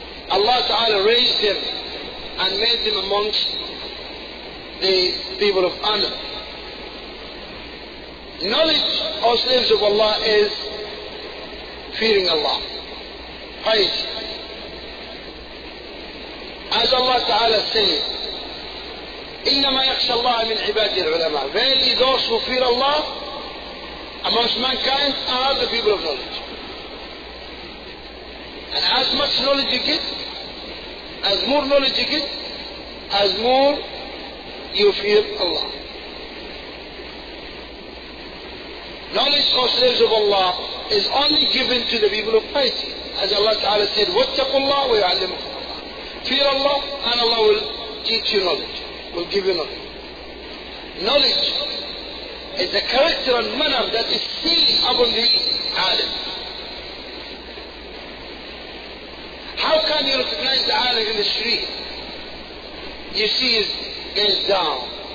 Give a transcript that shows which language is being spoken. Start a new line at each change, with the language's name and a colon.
English: Allah Ta'ala raised them and made them amongst the people of honor. Knowledge, O slaves of Allah, is fearing Allah. Faith. As Allah Ta'ala said,
Arabic: إِنَّمَا يَخْشَى اللَّهَ مِنْ عِبَادِ الْعُلَمَاءِ.
English: Verily those who fear Allah amongst mankind are the people of knowledge. And as much knowledge you get, as more knowledge you get, as more you fear Allah. Knowledge, O slaves of Allah, is only given to the people of piety. As Allah Ta'ala said,
Arabic: وَاتَّقُوا اللَّهَ وَيُعَلِّمُكُمُ اللَّهَ.
English: Fear Allah and Allah will teach you knowledge. Will give you knowledge. Knowledge is the character and manner that is seen upon the alim. How can you recognize the alim in the street? You see his gaze down.